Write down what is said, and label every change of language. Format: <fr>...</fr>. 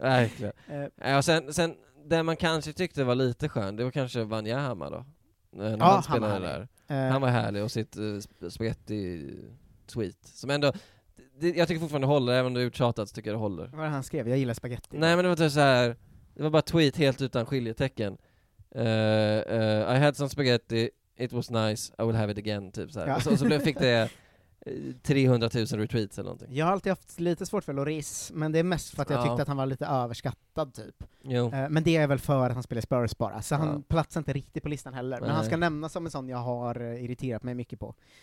<sv>Verkligen. Ja, sen det man kanske tyckte var lite skön, det var kanske Wanyama då. Ja, han var där. Han var härlig och sitt spaghetti tweet. Som ändå, jag tycker fortfarande håller, även om du har uttjatat, tycker jag det håller. Vad han skrev? Jag gillar spaghetti. Nej, men det var typ så här, det var bara tweet helt utan skiljetecken.</sv> <en>I had some spaghetti, it was nice, I will have it again,</en> <sv>typ så här. Ja. Och så fick det 300 000 retweets eller någonting. Jag har alltid haft lite svårt för Loris, men det är mest för att jag tyckte att han var lite överskattad typ. Jo. Men det är väl för att han spelar Spurs bara, så han platsar inte riktigt på listan heller. Nej. Men han ska nämnas som en sån jag har irriterat mig mycket på.</sv>